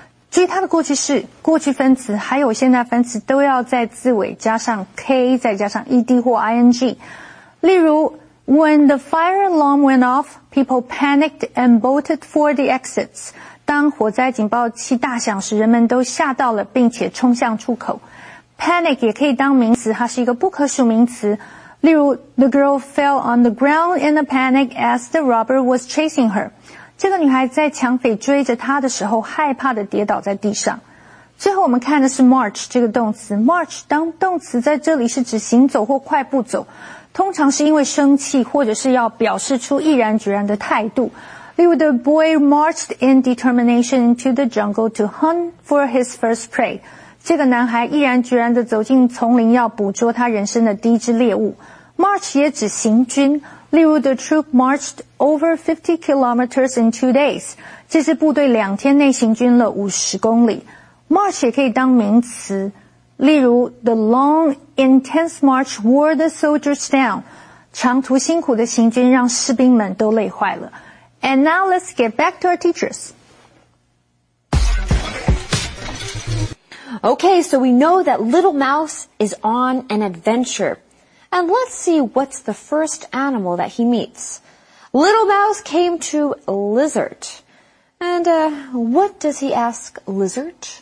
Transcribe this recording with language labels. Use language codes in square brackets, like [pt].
[zh] 注意它的过去式、过去分词还有现在分词都要在字尾加上 k, 再加上 ed 或 ing。例如 [en] ,when the fire alarm went off, people panicked and bolted for the exits. [zh] 当火灾警报器大响时人们都吓到了并且冲向出口。 panic 也可以当名词它是一个不可数名词。例如 [en] ,the girl fell on the ground in a panic as the robber was chasing her. [zh] 这个女孩在抢匪追着她的时候害怕地跌倒在地上。最后我们看的是 march 这个动词。march 当动词在这里是指行走或快步走。通常是因为生气或者是要表示出毅然决然的态度。例如 [en] ,the boy marched in determination into the jungle to hunt for his first prey. [zh] 这个男孩毅然决然地走进丛林要捕捉他人生的第一只猎物。 [en] March [zh] 也指行军。例如 [en] ,the troop marched over 50 kilometers in 2 days. [zh] 这支部队两天内行军了50公里。March 也可以当名词。例如 [en] the long, intense march wore the soldiers down. [zh] 长途辛苦的行军让士兵们都累坏了。 [en] And now let's get back to our teachers. Okay, so we know that Little Mouse is on an adventure. And let's see what's the first animal that he meets. Little Mouse came to Lizard. And what does he ask Lizard?